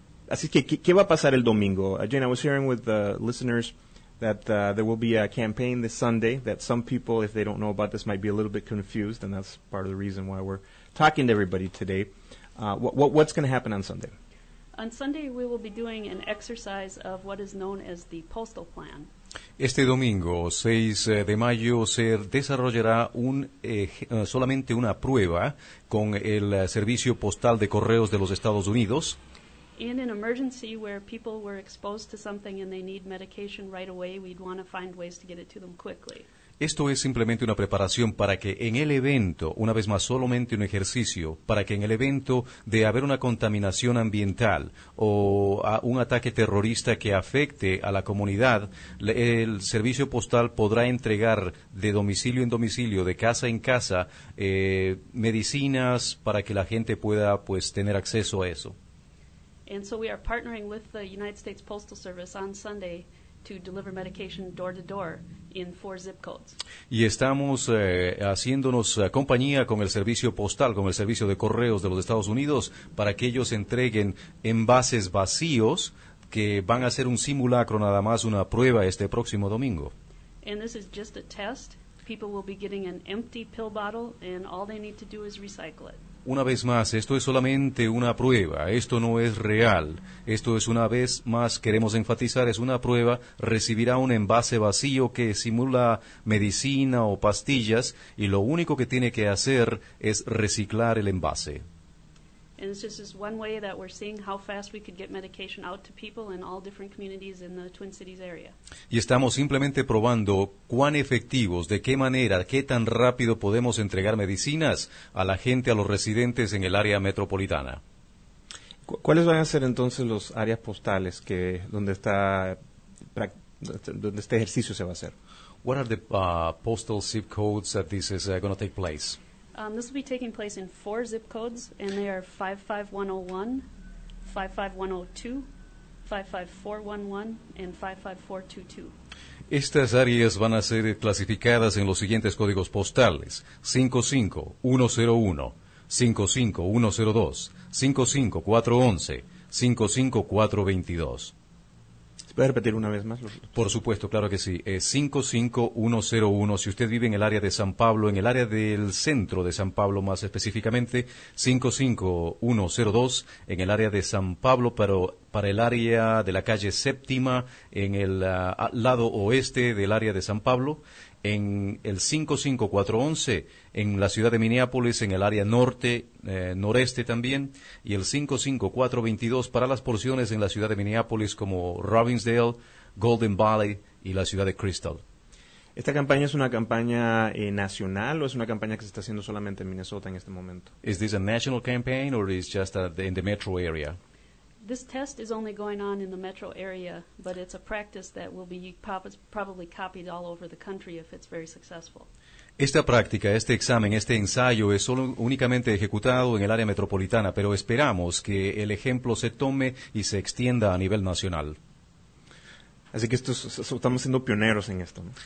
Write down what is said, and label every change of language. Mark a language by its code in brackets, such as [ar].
[es] Así que, ¿qué va a pasar el domingo? [en] Jane, I was hearing with the listeners that there will be a campaign this Sunday that some people, if they don't know about this, might be a little bit confused, and that's part of the reason why we're talking to everybody today. What's going to happen on Sunday? On Sunday, we will be doing an exercise of what is known as the postal plan. [es] Este domingo, 6 de mayo, se desarrollará solamente una prueba con el servicio postal de correos de los Estados Unidos. [en] In an emergency where people were exposed to something and they need medication right away, we'd want to find ways to get it to them quickly. [es] Esto es simplemente una preparación para que en el evento, una vez más, solamente un ejercicio, para que en el evento de haber una contaminación ambiental o un ataque terrorista que afecte a la comunidad, el servicio postal podrá entregar de domicilio en domicilio, de casa en casa, medicinas para que la gente pueda pues tener acceso a eso. [en] And so we are partnering with the United States Postal Service on Sunday to deliver medication door to door in 4 zip codes. [es] Y estamos haciéndonos compañía con el servicio postal, con el servicio de correos de los Estados Unidos, para que ellos entreguen envases vacíos que van a ser un simulacro, nada más una prueba este próximo domingo. [en] And this is just a test. People will be getting an empty pill bottle and all they need to do is recycle it. [es] Una vez más, esto es solamente una prueba, esto no es real, esto es una vez más, queremos enfatizar, es una prueba, recibirá un envase vacío que simula medicina o pastillas y lo único que tiene que hacer es reciclar el envase. [en] And this is one way that we're seeing how fast we could get medication out to people in all different communities in the Twin Cities area. [es] Y estamos simplemente probando cuán efectivos, de qué manera, qué tan rápido podemos entregar medicinas a la gente, a los residentes en el área metropolitana. ¿Cuáles van a ser entonces los áreas postales que donde este ejercicio se va a hacer? [en] What are the postal zip codes that this is going to take place? This will be taking place in 4 zip codes, and they are 55101, 55102, 55411, and 55422. [es] Estas áreas van a ser clasificadas en los siguientes códigos postales: 55101, 55102, 55411, 55422. ¿Puedes repetir una vez más? Por supuesto, claro que sí. 55101, si usted vive en el área de San Pablo, en el área del centro de San Pablo más específicamente, 55102, en el área de San Pablo, pero para el área de la calle Séptima, en el lado oeste del área de San Pablo, en el 55411, en la ciudad de Minneapolis, en el área norte, noreste también, y el 55422 para las porciones en la ciudad de Minneapolis como Robbinsdale, Golden Valley y la ciudad de Crystal. ¿Esta campaña es una campaña nacional o es una campaña que se está haciendo solamente en Minnesota en este momento? [en] Is this a national campaign or is just in the metro area? This test is only going on in the metro area, but it's a practice that will be probably copied all over the country if it's very successful. [es] Esta práctica, este examen, este ensayo es solo únicamente ejecutado en el área metropolitana, pero esperamos que el ejemplo se tome y se extienda a nivel nacional. Así que estamos siendo pioneros en esto, ¿no?